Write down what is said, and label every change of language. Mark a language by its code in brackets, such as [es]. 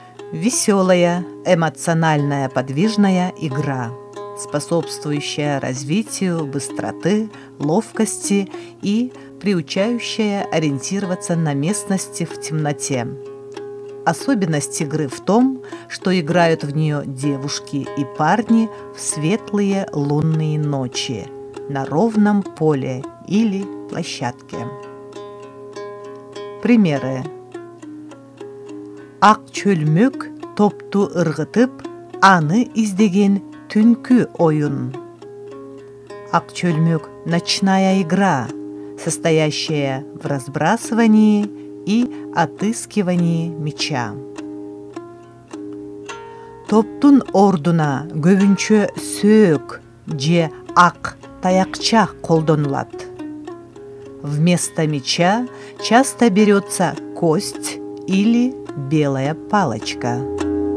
[ru] Веселая, эмоциональная, подвижная игра, способствующая развитию быстроты, ловкости и приучающая ориентироваться на местности в темноте. Особенность игры в том, что играют в нее девушки и парни в светлые лунные ночи на ровном поле или площадке. Примеры. [ky] Ак чөлмөк топту ыргытып, аны издеген түнкү оюн. [ru] Ак чөлмөк – ночная игра, состоящая в разбрасывании и отыскивании мяча. [ky] Топтун ордуна көбүнчө сөөк же ак таякча колдонулат. [ru] Вместо мяча часто берется кость или белая палочка.